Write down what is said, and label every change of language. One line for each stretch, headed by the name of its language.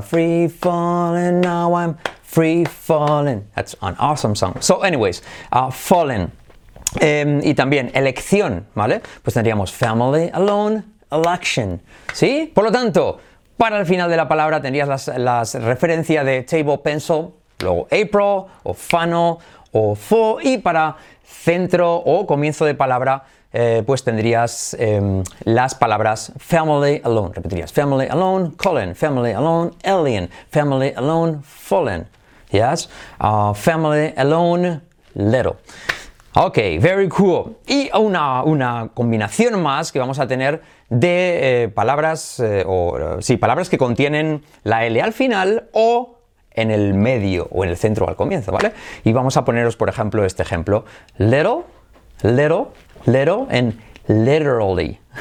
English: free falling, now I'm free falling. That's an awesome song. So, anyways, fallen.
Spanish: Y también elección, ¿vale? Pues tendríamos family, alone, election, ¿sí? Por lo tanto, para el final de la palabra tendrías las referencias de table, pencil, luego April, o funnel, o fall, y para centro o comienzo de palabra, pues tendrías las palabras family, alone.
English: Repetirías family, alone, colon, family, alone, alien, family, alone, fallen, ¿yes? Family, alone, little. Ok, very cool.
Spanish: Y una combinación más que vamos a tener de palabras palabras que contienen la L al final o en el medio o en el centro o al comienzo, ¿vale? Y vamos a poneros, por ejemplo, este ejemplo.
English: Little, little, little and literally.